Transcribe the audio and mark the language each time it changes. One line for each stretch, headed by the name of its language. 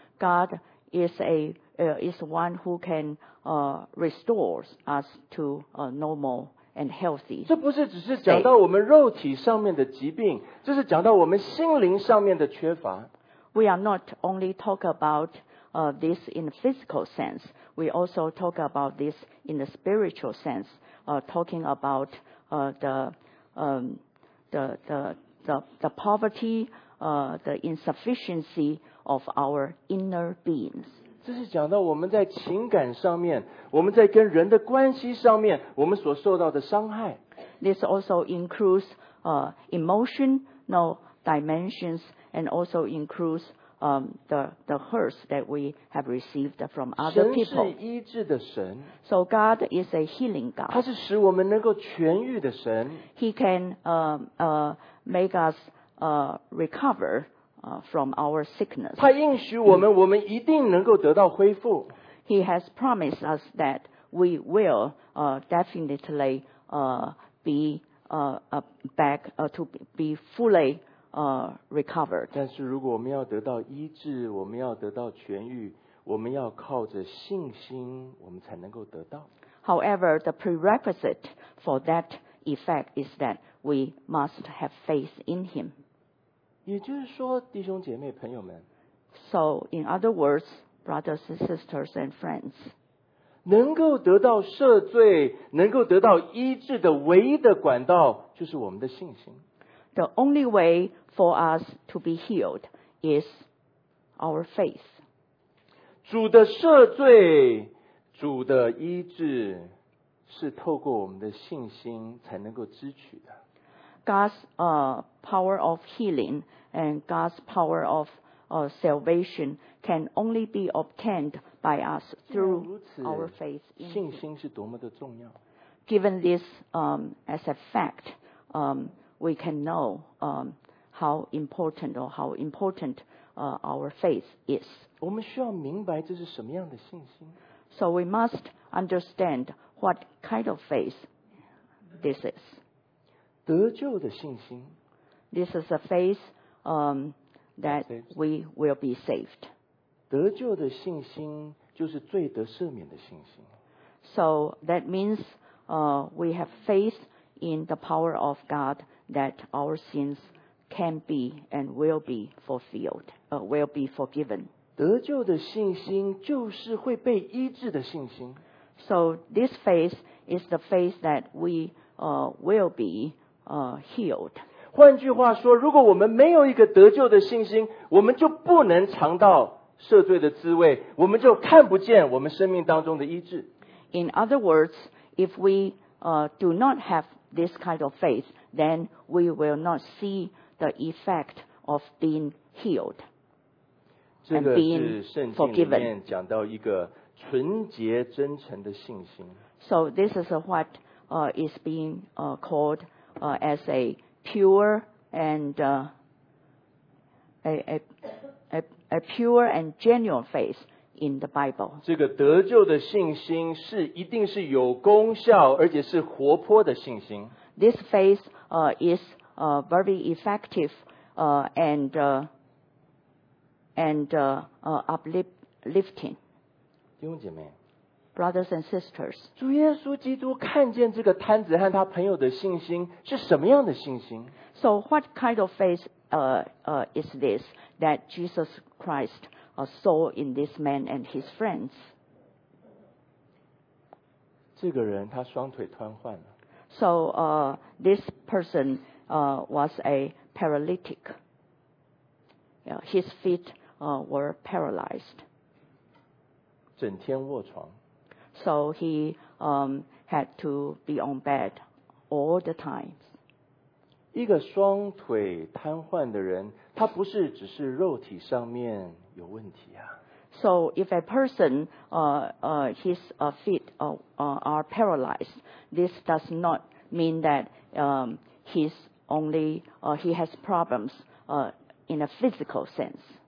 English: God is ais one who can restore us to normal and healthy.
Chinese: 这不是只是讲到我们肉体上面的疾病，这是讲到我们心灵上面的缺乏。
English: We are not only talk about this in a physical sense. We also talk about this in a spiritual sense. Talking about the poverty, the insufficiency of our inner beings.
Chinese: 这是讲到我们在情感上面，我们在跟人的关系上面，我们所受到的伤害。
English: This also includes emotional dimensions and also includes the hurts that we have received from other people.
Chinese: 神是医治的神。
English: So God is a healing God.
Chinese: 他是使我们能够痊愈的神。
English: He can make us recover. From our sickness.
Chinese: 他应许我们，我们一定能够得到恢复。
English: He has promised us that we will definitely be back to be fully recovered.
Chinese: 但是如果我们要得到医治，我们要得到痊愈，我们要靠着信心，我们才能够得到。
English: However, the prerequisite for that effect is that we must have faith in him.
Chinese: 也就是说，弟兄姐妹、朋友们。
English: So, in other words, brothers and sisters and friends.
Chinese: 能够得到赦罪，能够得到医治的唯一的管道，就是我们的信心。
English: The only way for us to be healed is our faith.
Chinese: 主的赦罪，主的医治，是透过我们的信心才能够支取的。
English: God's power of healing and God's power of salvation can only be obtained by us through our faith in Him.
Chinese: 信心是多么的重要。
English: Given this as a fact, we can know how important or how important our faith is.
Chinese: 我们需要明白这是什么样的信心。
English: So we must understand what kind of faith this is.
Chinese: 得救的信心。
English: This is a faith that we will be saved.
Chinese: 得救的信心就是罪得赦免的信心。
English: So that means we have faith in the power of God that our sins can be and will be fulfilled, will be forgiven.
Chinese: 得救的信心就是会被医治的信心。
English: So this faith is the faith that we will be healed.
Chinese: 换句话说，如果我们没有一个得救的信心，我们就不能尝到赦罪的滋味，我们就看不见我们生命当中的医治。
English: In other words, if we do not have this kind of faith, then we will not see the effect of being healed.
Chinese: 这个是圣经里面讲到一个纯洁真诚的信心。
English: So this is what is being called as a pure and a pure and genuine faith in the Bible.
Chinese: 这个得救的信心是一定是有功效，而且是活泼的信心。
English: This faith is very effective and uplifting.
Chinese: 弟兄姐妹。
English: Brothers and sisters,
Chinese: 主耶稣基督看见这个摊子和他朋友的信心是什么样的信心？
English: So what kind of faith is this that Jesus Christ saw in this man and his friends?
Chinese: 这个人他双腿瘫痪了。
English: So this person was a paralytic. Yeah, his feet were paralyzed.
Chinese: 整天卧床。
English: So he had to be on bed all the time.
Chinese: 一个双腿瘫痪的人，他不是只是肉体上面有问题啊。
English: So if a person his feet are paralyzed, this does not mean that he's only he has problems in a physical sense.